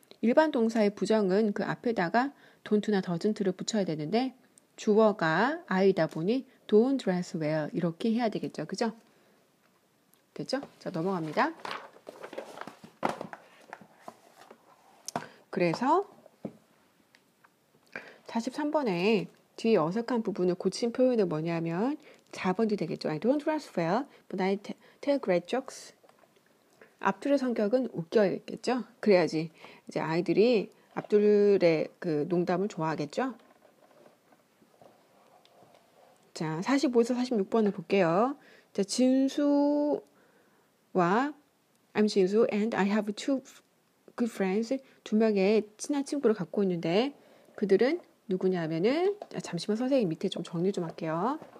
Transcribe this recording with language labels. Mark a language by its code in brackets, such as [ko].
[ko] 일반 동사의 부정은 그 앞에다가 don't나 doesn't를 붙여야 되는데, 주어가 I이다 보니 [en] don't dress well. [ko] 이렇게 해야 되겠죠. 그죠? 됐죠? 자, 넘어갑니다. 그래서 43번에 뒤에 어색한 부분을 고친 표현은 뭐냐면 4번이 되겠죠. [en] I don't dress well, but I tell great jokes. [ko] 압둘의 성격은 웃겨야겠죠. 그래야지 이제 아이들이 압둘의 그 농담을 좋아하겠죠. 자, 45에서 46번을 볼게요. 자, 진수와 [en] I'm 진수 and I have two good friends. [ko] 두 명의 친한 친구를 갖고 있는데 그들은 누구냐면은 잠시만 선생님 밑에 좀 정리 좀 할게요.